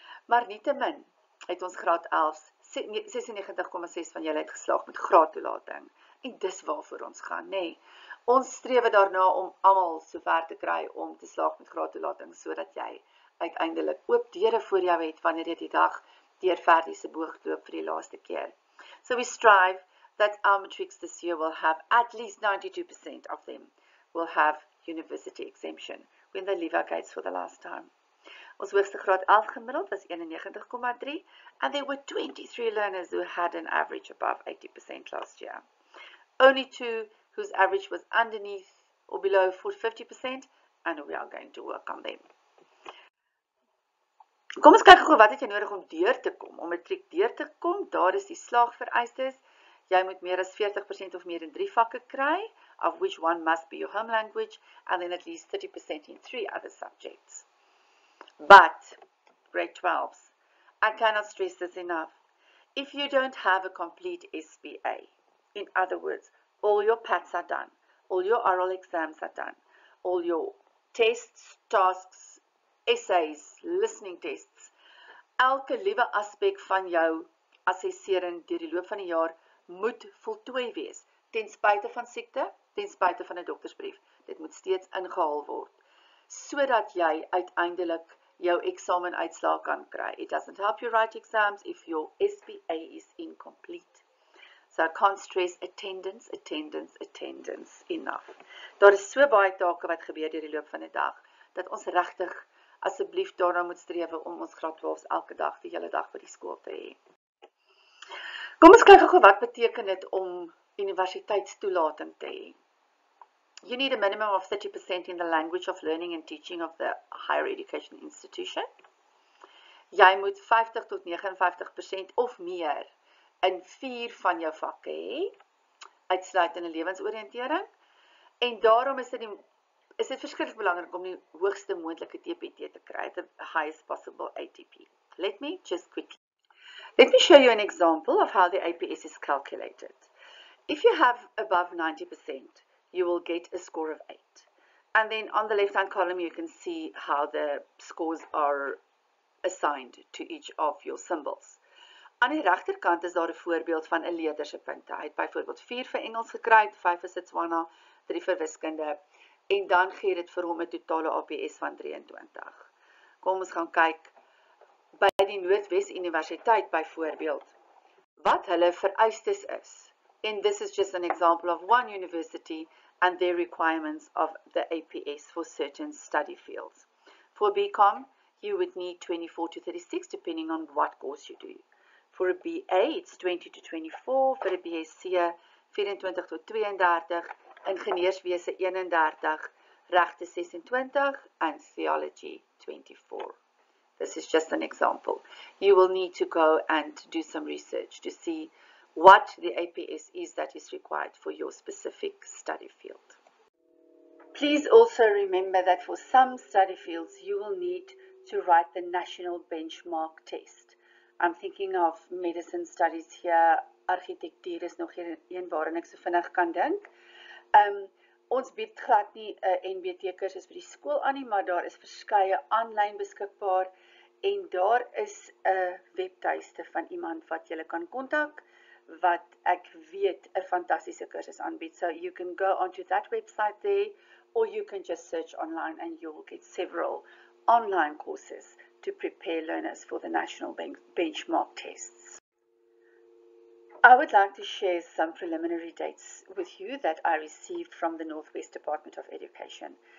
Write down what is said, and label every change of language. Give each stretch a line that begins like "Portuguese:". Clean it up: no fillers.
Afrikaans: Maar nietemin het ons graad 11 96,6 van julle het geslaag met graadtoelating. En dis waarvoor ons gaan, nee. Ons strewe daarna om almal so ver te kry om te slaag met graadtoelating sodat jy uiteindelik oop deure voor jou het wanneer jy die dag deur verdie se boog loop vir die laaste keer.
English: So we strive that our matrix this year will have at least 92% of them will have university exemption when they leave our gates for the last time.
Afrikaans: Ons hoogste graad 11 gemiddeld was 91,3
English: and there were 23 learners who had an average above 80% last year. Only two whose average was underneath or below 50% and we are going to work on them.
Afrikaans: Kom ons kyk gou wat het jy nodig om deur te kom, om matriek deur te kom, daar is die slaagvereistes. Jy moet meer as 40% of meer in 3 vakke kry,
English: of which one must be your home language, and then at least 30% in 3 other subjects. But, grade 12s, I cannot stress this enough. If you don't have a complete SBA, in other words, all your PATs are done, all your oral exams are done, all your tests, tasks, essays, listening tests,
Afrikaans: elke liewe aspek van jou assessering deur die loop van die jaar moet voltooi wees, ten spyte van siekte, ten spyte van 'n doktersbrief. Dit moet steeds ingehaal word, sodat jy uiteindelik jou eksamen uitslaa kan kry.
English: It doesn't help you write exams if your SBA is incomplete. So I can't stress attendance, attendance, attendance enough.
Afrikaans: Daar is so baie take wat gebeur deur die loop van 'n dag, dat ons regtig asseblief daarna moet strewe om ons graad 12 elke dag, die hele dag by die skool te hê. Kom ons kyk gou wat beteken dit om universiteitstoelating te hê.
English: You need a minimum of 30% in the language of learning and teaching of the higher education institution.
Afrikaans: Jy moet 50 tot 59% of meer in 4 van jou vakke hê, uitsluitende lewensoriëntering. En daarom is dit verskriklik belangrik om die hoogste moontlike TPT te kry,
English: the highest possible ATP. Let me just quickly Let me show you an example of how the APS is calculated. If you have above 90%, you will get a score of 8. And then on the left-hand column, you can see how the scores are assigned to each of your symbols.
Afrikaans: Aan die regterkant is daar 'n voorbeeld van 'n leerder se punte. Hy het byvoorbeeld 4 vir Engels gekry, 5 vir Setswana, 3 vir Wiskunde, en dan gee dit vir hom 'n totale APS van 23. Kom ons gaan kyk by die Noordwes Universiteit byvoorbeeld wat hulle vereistes is.
English: And this is just an example of one university and their requirements of the APS for certain study fields. For BCom, you would need 24 to 36 depending on what course you do. For a BA, it's 20 to 24, for a BSc, 24
Afrikaans: tot 32, ingenieurswese 31,
English: Regte 26 and Theology 24. This is just an example. You will need to go and do some research to see what the APS is that is required for your specific study field. Please also remember that for some study fields, you will need to write the National Benchmark Test. I'm thinking of medicine studies here.
Afrikaans: Argitektuur is nog een waarin ek so vinnig kan dink. Ons bied glad nie 'n NBT kursus by die skool aan nie, maar daar is verskeie aanlyn beskikbaar en daar is 'n webtuiste van iemand wat jy kan kontak wat ek weet 'n fantastiese kursus aanbied.
English: So you can go onto that website there or you can just search online and you will get several online courses to prepare learners for the National Benchmark Tests. I would like to share some preliminary dates with you that I received from the Northwest Department of Education.